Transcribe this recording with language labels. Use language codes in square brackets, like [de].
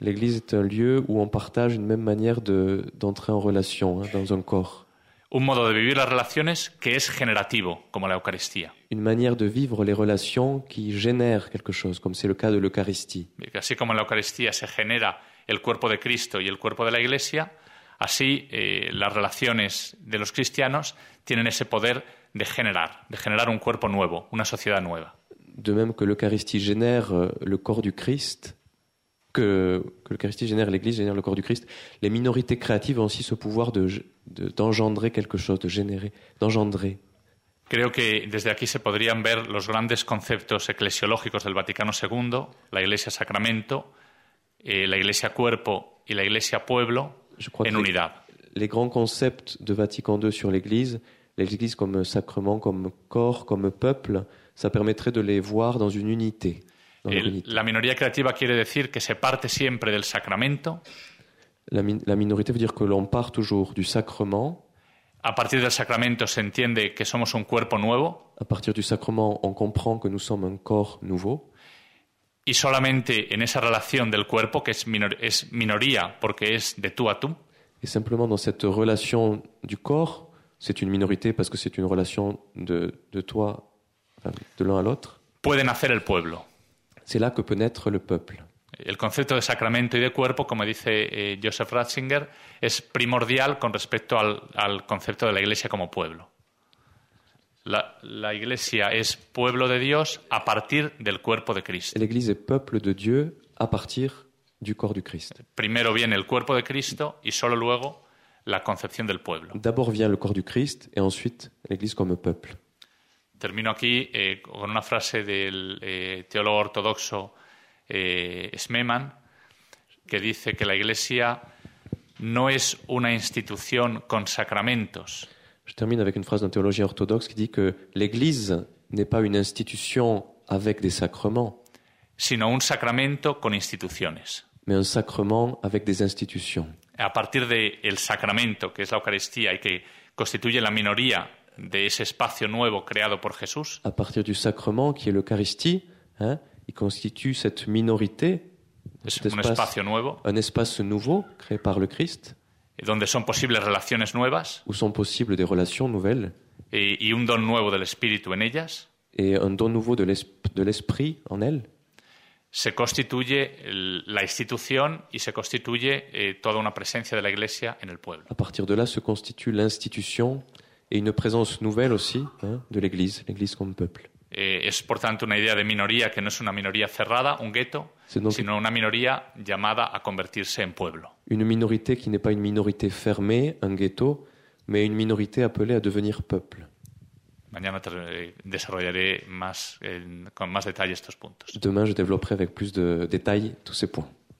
[fr] L'Église est un lieu où on partage une même manière d'entrer en relation, dans un corps. [es] Un modo de vivir las relaciones que es generativo, como la Eucaristía. [fr] Une manière de vivre les relations qui génère quelque chose, comme c'est le cas de l'Eucharistie. [es] Así como en la Eucaristía se genera el cuerpo de Cristo y el cuerpo de la Iglesia, así las relaciones de los cristianos tienen ese poder de generar un cuerpo nuevo, una sociedad nueva. [fr] De même que l'Eucharistie génère le corps du Christ, que l'Eucharistie génère l'Église, génère le corps du Christ, les minorités créatives ont aussi ce pouvoir d'engendrer quelque chose, de générer, d'engendrer. [es] Creo que desde aquí se podrían ver los grandes conceptos eclesiológicos del Vaticano II, la Iglesia Sacramento, la Iglesia Cuerpo y la Iglesia Pueblo en unidad. [fr] Les grands concepts de Vatican II sur l'Église, l'Église comme sacrement, comme corps, comme peuple, ça permettrait de les voir dans une unité. [es] La minoría creativa quiere decir que se parte siempre del sacramento. [fr] La minorité veut dire que l'on part toujours du sacrement. [es] A partir del sacramento se entiende que somos un cuerpo nuevo. [fr] À partir du sacrement, on comprend que nous sommes un corps nouveau. [es] Y solamente en esa relación del cuerpo, que es minoría porque es de tú a tú. [fr] Et simplement dans cette relation du corps, c'est une minorité parce que c'est une relation de toi, de l'un à l'autre. [es] Puede nacer el pueblo. [fr] C'est là que peut naître le peuple. [es] El concepto de sacramento y de cuerpo, como dice Joseph Ratzinger, es primordial con respecto al concepto de la Iglesia como pueblo. La Iglesia es pueblo de Dios a partir del cuerpo de Cristo. [fr] L'Église est peuple de Dieu à partir du corps du Christ. [es] Primero viene el cuerpo de Cristo y solo luego la concepción del pueblo. [fr] D'abord vient le corps du Christ et ensuite l'Église comme peuple. [es] Termino aquí con una frase del teólogo ortodoxo Smeman, que dice que la Iglesia no es una institución con sacramentos. [fr] Je termine avec une phrase d'un théologien orthodoxe qui dit que l'Église n'est pas une institution avec des sacrements, [es] sino un sacramento con instituciones. [fr] Mais un sacrement avec des institutions. [es] A partir del sacramento, que es la Eucaristía y que constituye la minoría de ese espacio nuevo creado por Jesús. [fr] À partir du sacrement qui est l'Eucharistie, il constitue cette minorité, un espace nouveau créé par le Christ. [es] Donde son posibles relaciones nuevas. [fr] Où sont possibles des relations nouvelles. [es] Y un don nuevo del Espíritu en ellas. [fr] Et un don nouveau de l'esprit en elles. [es] Se constituye la institución y se constituye toda una presencia de la Iglesia en el pueblo. [fr] À partir de là se constitue l'institution. Et une présence nouvelle aussi de l'Église, l'Église comme peuple. [es] Es por tanto una idea de minoría que no es una minoría cerrada, un ghetto, sino una minoría llamada a convertirse en pueblo. [fr] Une minorité qui n'est pas une minorité fermée, un ghetto, mais une minorité appelée à devenir peuple. [es] Mañana desarrollaré más, con más détails estos puntos. [fr] Demain, je développerai avec plus de détails tous ces points.